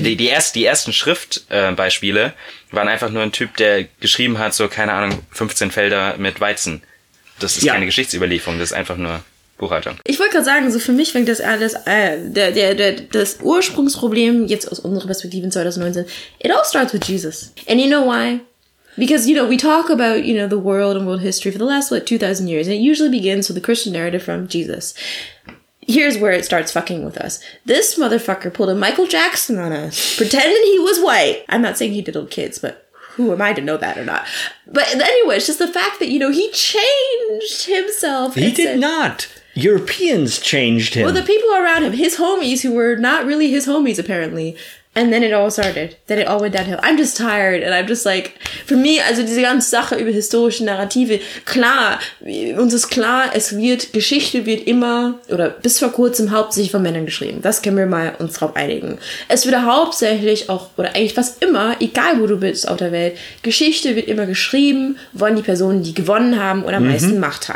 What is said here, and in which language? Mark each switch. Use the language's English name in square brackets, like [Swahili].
[German] die ersten Schriftbeispiele waren einfach nur ein Typ, der geschrieben hat, so keine Ahnung, 15 Felder mit Weizen. Das ist keine Geschichtsüberlieferung, das ist einfach nur Buchhaltung. Ich wollte gerade sagen, so für mich fängt das alles, das Ursprungsproblem jetzt aus unserer Perspektive in 2019, [English] it all starts with Jesus. And you know why? Because, you know, we talk about, you know, the world and world history for the last, 2000 years, and it usually begins with the Christian narrative from Jesus. Here's where it starts fucking with us. This motherfucker pulled a Michael Jackson on us, pretending he was white. I'm not saying he diddled kids, but who am I to know that or not? But anyway, it's just the fact that, you know, he changed himself. He did not. Europeans changed him. Well, the people around him, his homies who were not really his homies, apparently. And then it all started. Then it all went downhill. I'm just tired. And I'm just like, for me, [German] also diese ganze Sache über historische Narrative, klar, uns ist klar, es wird, Geschichte wird immer, oder bis vor kurzem, hauptsächlich von Männern geschrieben. Das können wir mal uns drauf einigen. Es würde hauptsächlich auch, oder eigentlich fast immer, egal wo du bist auf der Welt, Geschichte wird immer geschrieben von die Personen, die gewonnen haben oder am meisten Macht haben.